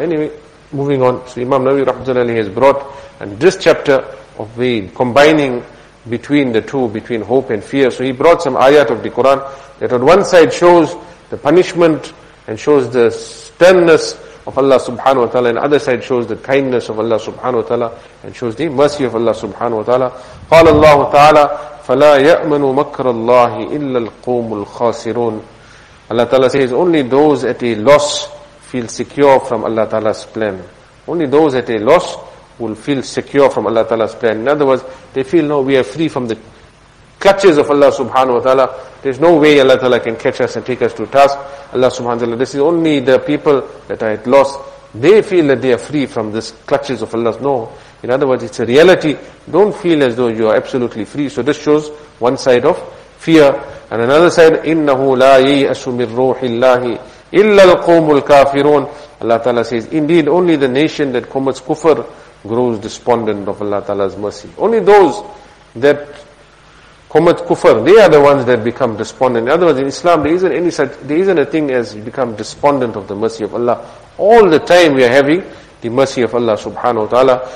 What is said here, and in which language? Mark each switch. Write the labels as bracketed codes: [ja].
[en] Anyway, moving on. So Imam Nawawi Rahmatullah Alayhi has brought, and this chapter of the combining between the two, between hope and fear. So he brought some ayat of the Quran that on one side shows the punishment and shows the sternness of Allah Subhanahu Wa Ta'ala, and other side shows the kindness of Allah Subhanahu Wa Ta'ala and shows the mercy of Allah Subhanahu Wa Ta'ala. [ar] قال الله تعالى فلا يأمن مكر الله إلا القوم الخاسرون. [en] Allah Ta'ala says only those at a loss feel secure from Allah Ta'ala's plan. Only those at a loss will feel secure from Allah Ta'ala's plan. In other words, they feel, no, we are free from the clutches of Allah Subhanahu Wa Ta'ala. There's no way Allah Ta'ala can catch us and take us to task. Allah Subhanahu Wa Ta'ala, this is only the people that are at loss. They feel that they are free from this clutches of Allah. No. In other words, it's a reality. Don't feel as though you are absolutely free. So this shows one side of fear. And another side, [ar] إِنَّهُ لَا يَيْأَسُ مِنْ رُوحِ اللَّهِ إِلَّا الْقَوْمُ الْكَافِرُونَ. [en] Allah Ta'ala says, indeed, only the nation that commits kufr grows despondent of Allah Ta'ala's mercy. Only those that commit kufr, they are the ones that become despondent. In other words, in Islam, there isn't a thing as become despondent of the mercy of Allah. All the time we are having the mercy of Allah Subhanahu Wa Ta'ala.